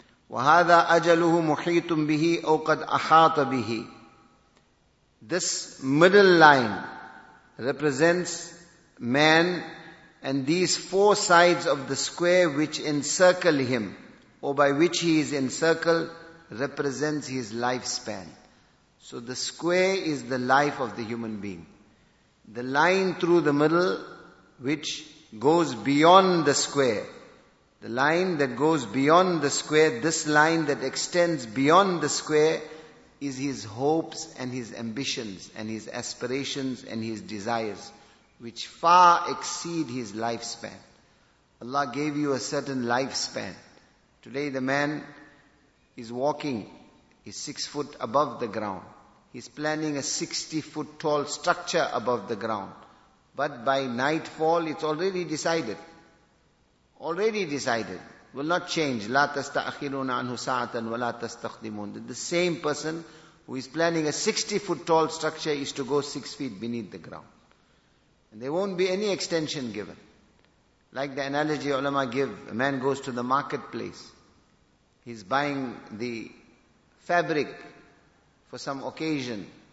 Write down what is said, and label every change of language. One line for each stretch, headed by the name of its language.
Arabic: وَهَذَا أَجَلُهُ مُحِيطٌ بِهِ أَوْ قَدْ أَحَاطَ بِهِ.
English: This middle line represents man, and these four sides of the square which encircle him, or by which he is encircled, represents his lifespan. So the square is the life of the human being. The line through the middle, which goes beyond the square, the line that goes beyond the square, this line that extends beyond the square, is his hopes and his ambitions and his aspirations and his desires, which far exceed his lifespan. Allah gave you a certain lifespan. Today the man is walking, he's 6 foot above the ground. He's planning a 60-foot tall structure above the ground. But by nightfall, it's already decided. Already decided, will not change.
Arabic: لا تستأخرون عنه ساعة ولا تستخدمون.
English: The same person who is planning a 60-foot tall structure is to go 6 feet beneath the ground. And there won't be any extension given. Like the analogy ulama give, a man goes to the marketplace. He's buying the fabric for some occasion.